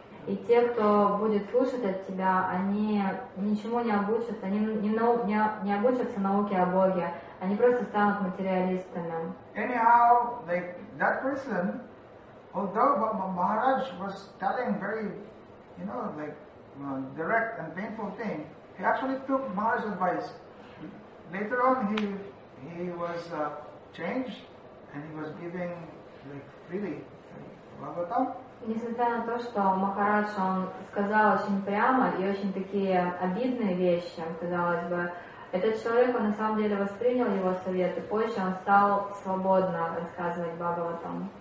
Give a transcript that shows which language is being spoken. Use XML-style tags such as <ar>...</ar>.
<ru>И те, кто будет слушать от тебя, они ничему не обучатся, они не обучатся науке о Боге, они просто станут материалистами.</ru> <en>Anyhow, like that person, although Maharaj was telling very, you know, like direct and painful thing, he actually took Maharaj's advice. Later on, he was changed, and he was giving like freely, like, Bhagavatam.</en> <ru>Несмотря на то, что Махарадж, он сказал очень прямо и очень такие обидные вещи, казалось бы, этот человек, он на самом деле воспринял его совет, и позже он стал свободно рассказывать Бхагаватам</ru>